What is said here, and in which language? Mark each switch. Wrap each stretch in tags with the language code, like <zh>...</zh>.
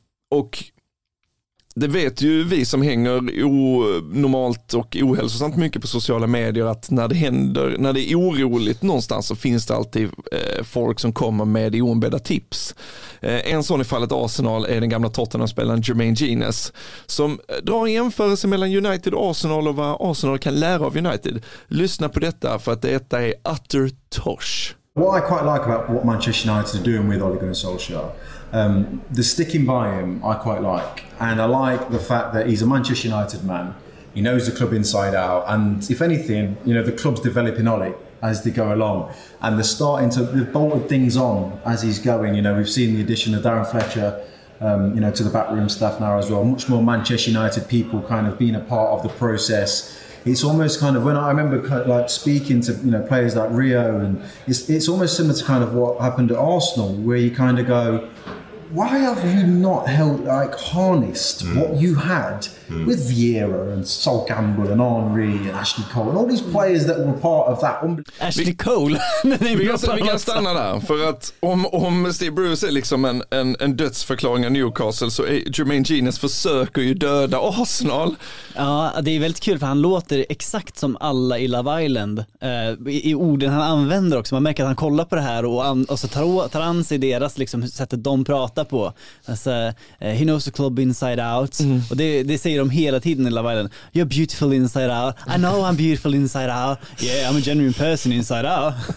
<sv>Och det vet ju vi som hänger onormalt och ohälsosamt mycket på sociala medier, att när det händer, när det är oroligt någonstans, så finns det alltid folk som kommer med oombedda tips. En sån i fallet Arsenal är den gamla Tottenham-spelaren Jermaine Genes, som drar en jämförelse mellan United och Arsenal och vad Arsenal kan lära av United. Lyssna på detta, för att detta är</sv> <en>utter tosh. What I quite like about what Manchester United are doing with Ole Gunnar Solskjaer, the sticking by him I quite like. And I like the fact that he's a Manchester United man. He knows the club inside out. And if anything, you know, the club's developing Ole as they go along. And they're starting to, they've bolted things on as he's going. You know, we've seen the addition of Darren Fletcher, you know, to the backroom staff now as well. Much more Manchester United people kind of being a part of the process. It's almost kind of, when I remember kind of like speaking to, you know, players like Rio, and it's almost similar to kind of what happened at Arsenal, where you kind of go, why have you not held, like, harnessed what you had with Vieira and Sol Campbell and Henry and Ashley Cole and all these players that were part of that? Ashley Cole?</en> <sv>vi kan stanna där, för att om Steve Bruce är liksom en dödsförklaring av Newcastle, så är Jermaine Genes, försöker ju döda Arsenal. Ja, det är väldigt kul, för han låter exakt som alla i Love Island i orden han använder också. Man märker att han kollar på det här och så tar an sig deras, liksom, sättet de pratar på. Alltså,</sv> <en>he knows the club inside out.</en> <sv>Mm. Och det säger de hela tiden i Love Island.</sv> <en>You're beautiful inside out. I know I'm beautiful inside out. Yeah, I'm a genuine person inside out.</en>